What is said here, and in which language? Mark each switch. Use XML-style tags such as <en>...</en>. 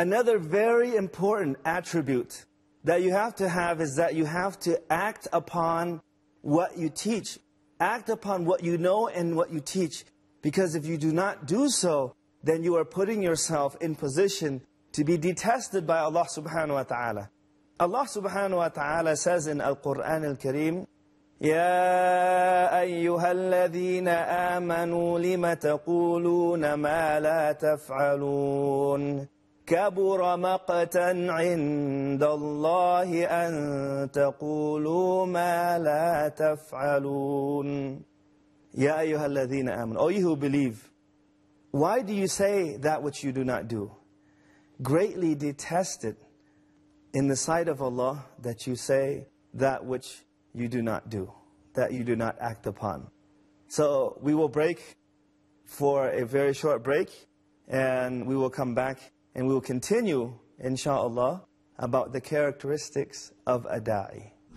<en>Another very important attribute that you have to have is that you have to act upon what you teach. Act upon what you know and what you teach. Because if you do not do so, then you are putting yourself in position to be detested by Allah subhanahu wa ta'ala. Allah subhanahu wa ta'ala says in Al-Quran Al-Kareem,</en> <ar>يَا أَيُّهَا الَّذِينَ آمَنُوا لِمَ تَقُولُونَ مَا لَا تَفْعَلُونَ كَبُرَ مَقْتًا عِنْدَ اللَّهِ أَن تَقُولُوا مَا لَا تَفْعَلُونَ يَا أَيُّهَا الَّذِينَ آمَنُوا.</ar> <en>O you who believe, why do you say that which you do not do? Greatly detested in the sight of Allah that you say that which you do not do, that you do not act upon. So we will break for a very short break, and we will come back and we will continue, inshallah, about the characteristics of a da'i.</en>